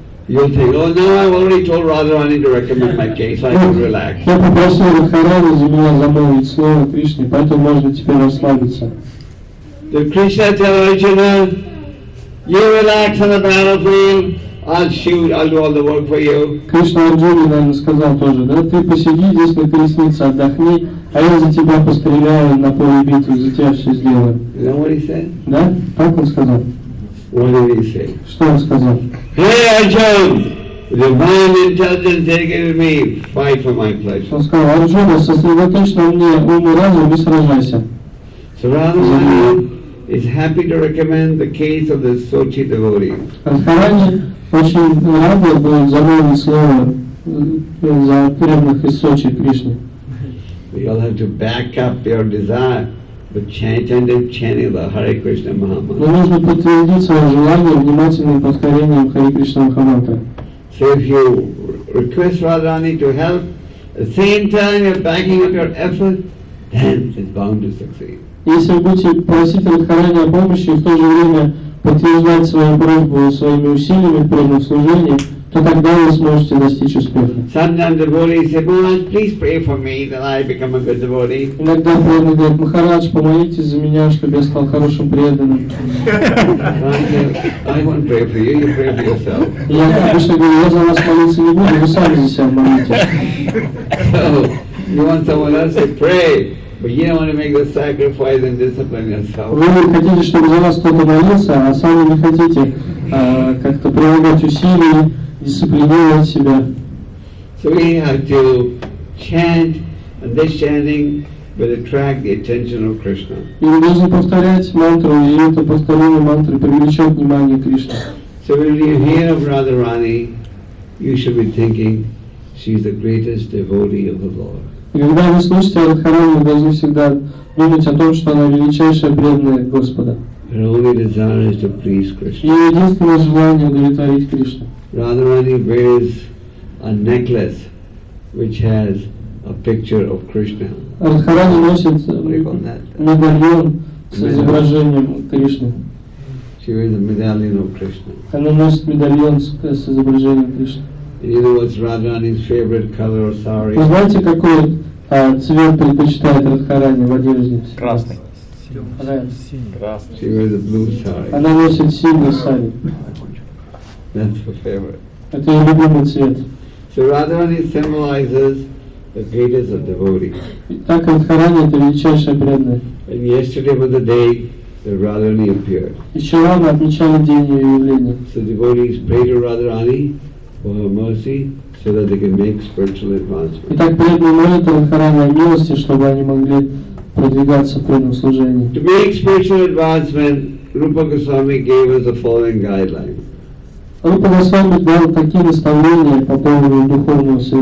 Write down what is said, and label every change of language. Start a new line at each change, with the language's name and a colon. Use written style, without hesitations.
English: You'll think, "Oh, now I've already told Radharani to recommend my case. I can relax."
Russian: Я попросил Радхарани за меня замолвить слово Кришне, поэтому можно теперь расслабиться.
English: The Krishna tell Arjuna, "You relax on the battlefield. I'll shoot. I'll do all the work for you."
Russian: Krishna Arjuna, наверное, сказал тоже, да? Ты посиди здесь на колеснице, отдохни, а я за тебя постреляю на поле битвы, за тебя все сделаю.
English: You know what he said?
Russian: Да? Так он сказал.
English: What did he say?
Russian: Что он сказал?
English: Hey Arjuna, the mind intelligence taken me, fight for my pleasure.
Russian: Он сказал, Арджуна, сосредоточь на мне ум и разум и сражайся.
English: So Radharani is happy to recommend the case of the Sochi devotee.
Russian: Радхарани очень рад был замолвить слово за преданных из Сочи Кришны.
English: We all have to back up your desire. But chanting the Hare Krishna Mahamantra.
Russian: Но нужно подтвердить свое желание внимательным повторением Хари Кришна Махамантра.
English: So if you request Radharani to help, at the same time you're backing up your effort, then it's bound to succeed.
Russian: Если вы будете просить Радхарани о помощи и в то же время подтверждать свою просьбу своими усилиями в преданном служении, то тогда вы сможете достичь успеха.
English: Sometimes the devotee says, "Maharaj, please pray for me that I become a good devotee."
Russian: Иногда преданный говорит, Махарадж, помолитесь за меня, чтобы я стал хорошим преданным.
English: I won't pray for you, you pray for yourself.
Russian: Я обычно говорю, я за вас молиться не буду, вы сами за себя молитесь.
English: So, you want someone else to pray, but you don't want to make the sacrifice and discipline yourself.
Russian: Вы не хотите, чтобы за вас кто-то молился, а сами не хотите как-то прилагать усилия, дисциплинировать себя.
English: So we have to chant, and this chanting but attract the attention of Krishna.
Russian: И вы должны повторять мантру, и это повторение мантры привлечет внимание Кришны.
English: So when you hear of Radharani, you should be thinking, she's the greatest devotee of the Lord.
Russian: И когда вы слышите о Радхарани, вы должны всегда думать о том, что она величайшая преданная Господа.
English: Her only desire is to please Krishna.
Russian: Ее единственное желание удовлетворить Кришну.
English: Radharani wears a necklace which has a picture of Krishna.
Russian: Радхарани носит медальон с изображением Кришны.
English: She wears a medallion of Krishna.
Russian: Она носит медальон с изображением Кришны.
English: And you know what's Radharani's favorite color or sari?
Russian: Вы знаете, какой цвет предпочитает Радхарани в одежде? Красный.
English: She wears a blue sari.
Russian: Она носит синий сари.
English: That's her favorite.
Russian: Это ее любимый цвет.
English: So Radharani symbolizes the greatest of devotees.
Russian: Итак, Радхарани это величайшая преданная.
English: And yesterday was the day that Radharani appeared.
Russian: Еще рано отмечали день ее явления.
English: So devotees pray to Radharani for her mercy, so that they can make spiritual advancement.
Russian: Итак, преданные молят Радхарани о милости, чтобы они могли продвигаться в преданном служении.
English: To make spiritual advancement, Rupa Goswami gave us the following guidelines.
Russian: Rupa Goswami дал такие наставления по поводу духовного